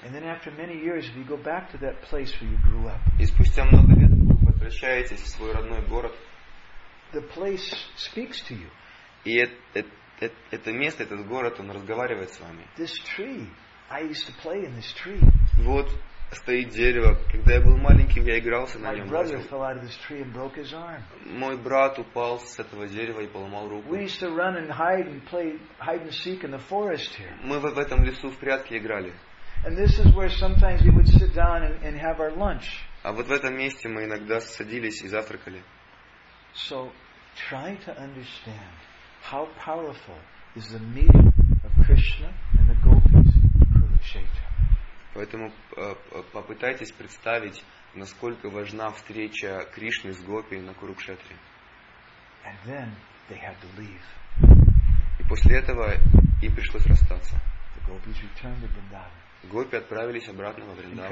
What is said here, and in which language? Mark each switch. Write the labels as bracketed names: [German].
[English] And then after many years you go back to that place where you grew up. [Russian] И спустя много лет вы возвращаетесь в свой родной город. [English] The place speaks to you. [Russian] И это место, этот город, он разговаривает с вами. [English] This tree. I used to play in this tree. [Russian] Вот стоит дерево. Когда я был маленьким, я игрался на нем. [English] My brother fell out of this tree and broke his arm. [Russian] Мой брат упал с этого дерева и поломал руку. [English] We used to run and hide and play hide and seek in the forest here. [Russian] Мы в этом лесу в прятки играли. [English] And this is where sometimes we would sit down and have our lunch. [Russian] А вот в этом месте мы иногда садились и завтракали. [English] So try to understand how powerful is the meeting of Krishna and the gopis in Kurukshetra. [Russian] Поэтому попытайтесь представить, насколько важна встреча Кришны с гопи на Курукшетре. [English] And then they had to leave. [Russian] И после этого им пришлось расстаться. [English] The gopis returned to Vrindavan. [Russian] Гопи отправились обратно во Вриндаван.